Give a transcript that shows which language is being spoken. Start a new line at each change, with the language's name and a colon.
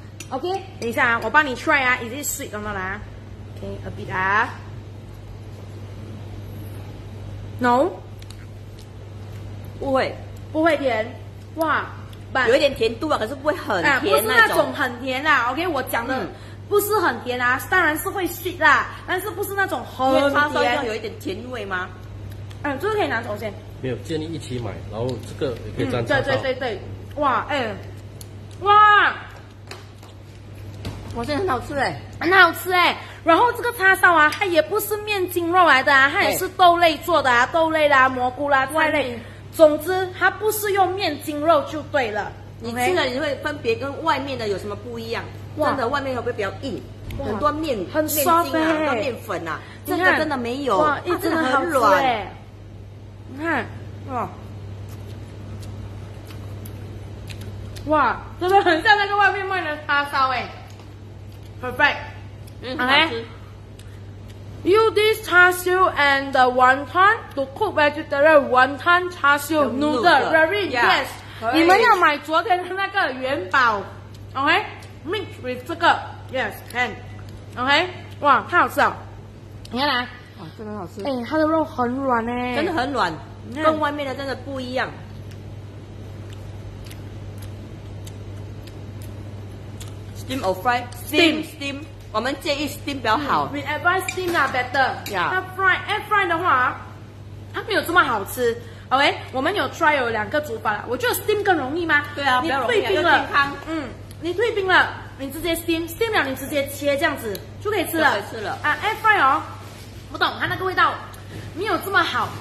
Chinese: OK， 等一下啊，我帮你 try 啊 ，
English: Is it sweet
Chinese: 等等啦 ？OK， a bit 啊 ，No，不会，不会甜，哇，有一点甜度啊，可是不会很甜那种，不是那种很甜啊 ，OK， 我讲的。嗯不是很甜啊，当然是会 sweet 啦，但是不是那种很甜。叉烧有一点甜味吗？嗯，这个可以拿走先。没有，建议一起买，然后这个也可以蘸叉烧。嗯，对对对对，哇，哎，哇，我觉得很好吃哎，很好吃哎。然后这个叉烧啊，它也不是面筋肉来的啊，它也是豆类做的啊，哎、豆类啦、蘑菇啦、菜类，总之它不是用面筋肉就对了。你吃了你会分别跟外面的有什么不一样？真的，外面会不会比较硬？很多面，很面筋啊，很多面粉啊，这个真的没有，哇，真的很软。你看，哇，真的很像那个外面卖的叉烧哎 ，perfect，嗯，很好吃。
English: Use this 叉烧 and the wonton to cook vegetarian wonton 叉烧 noodle very yes，
Chinese: 你们要买昨天的那个元宝
English: ，OK。
Chinese: Mix with 这个 ，Yes can， OK， 哇，太好吃了，你看来，哇，真的很好吃，哎，它的肉很软哎，真的很软，跟外面的真的不一样，
English: Steam or fry， steam，
Chinese: 我们建议 steam 比较好，
English: We advise steam
Chinese: 啦 better， 那 fry， air fry 的话，它没有这么好吃。 OK， 我们有 try 有两个煮法了，我觉得 steam 更容易吗？对啊，你退冰了，健康，嗯。你退冰了，你直接 steam 了，你直接切这样子就可以吃了。可以吃了啊 ，air fry 哦，不懂它那个味道没有这么好。